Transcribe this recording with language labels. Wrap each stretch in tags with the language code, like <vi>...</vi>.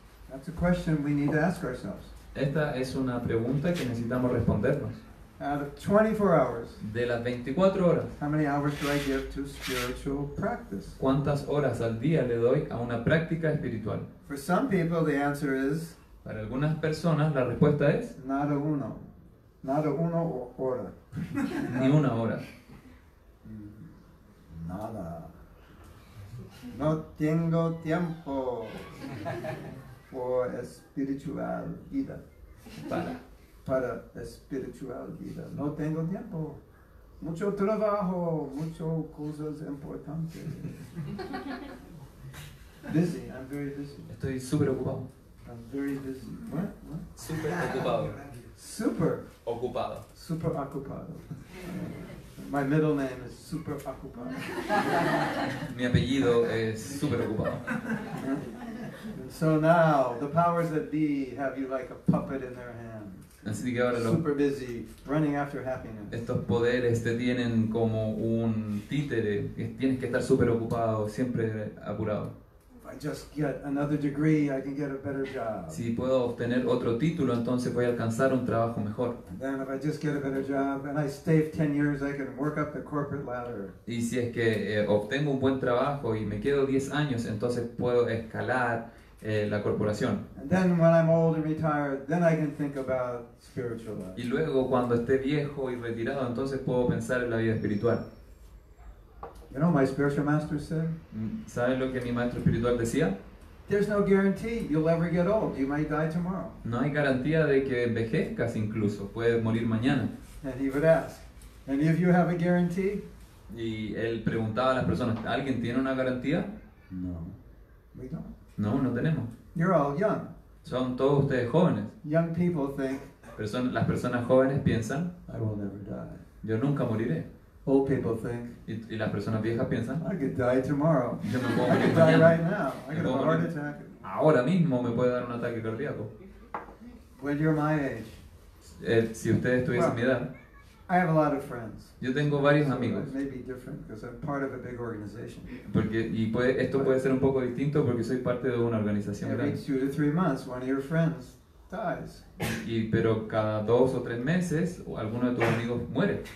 <en>That's a question we need to ask ourselves.</en> <es>Esta es una pregunta que necesitamos respondernos.</es> <en>Out of 24 hours.</en> <es>De las 24 horas.</es> <en>How many hours do I give to spiritual practice?</en> <es>¿Cuántas horas al día le doy a una práctica espiritual?</es> <en>For some people the answer is.</en> <es>Para algunas personas la respuesta es.</es> <en>Not a uno. Not a uno hora.</en> <es>Ni una hora. Nada. No tengo tiempo. For espiritual vida. Para espiritual vida. No tengo tiempo. Mucho trabajo. Mucho cosas importantes.</es> <en>Busy. I'm very busy.</en> <es>Estoy super ocupado.</es> <en>I'm very busy. What?</en> <es>Super ocupado. Super. Ocupado.</es> <en>Super ocupado. My middle name is super ocupado.</en> <es>Mi apellido es super ocupado.</es> <en>So now the powers that be have you like a puppet in their hands.</en> <es>Así que ahora</es> <en>super busy running after happiness.</en> <es>Estos poderes te tienen como un títere. Tienes que estar super ocupado, siempre apurado.</es> <en>If I just get another degree, I can get a better job.</en> <es>Si puedo obtener otro título, entonces voy a alcanzar un trabajo mejor.</es> <en>And then if I just get a better job and I stay 10 years, I can work up the corporate ladder.</en> <es>Y si es que obtengo un buen trabajo y me quedo 10 años, entonces puedo escalar la corporación.</es> <en>And then when I'm old and retired, then I can think about spiritual life.</en> <es>Y luego cuando esté viejo y retirado, entonces puedo pensar en la vida espiritual.</es> <en>You know my spiritual master said?</en> <es>¿Sabes lo que mi maestro espiritual decía?</es> <en>There's no guarantee you'll ever get old. You might die tomorrow.</en> <es>No hay garantía de que envejezcas incluso. Puedes morir mañana.</es> <en>And he would ask, and if you have a guarantee?</en> <es>Y él preguntaba a las personas, ¿alguien tiene una garantía?</es> <en>No, we don't.</en> <es>No, no tenemos.</es> <en>You're all young.</en> <es>Son todos ustedes jóvenes.</es> <en>Young people think.</en> <es>Las personas jóvenes piensan.</es> <en>I will never die.</en> <es>Yo nunca moriré.</es> <en>Old people think.</en> <es>Y las personas viejas piensan.</es> <en>I could die tomorrow.</en> <es>Yo me puedo mañana.</es> <en>I could die right now. I could have a heart attack.</en> <es>Ahora mismo me puede dar un ataque cardíaco.</es> <en>When you're my age.</en> <es>Si ustedes tuviesen mi edad.</es> <en>I have a lot of friends.</en> <es>Yo tengo varios amigos.</es> <en>It may be different because I'm part of a big organization.</en> <es>Esto puede ser un poco distinto porque soy parte de una organización grande.</es> <en>Every 2 to 3 months, one of your friends dies.</en> <es>Pero cada 2 o 3 meses, alguno de tus amigos muere.</es>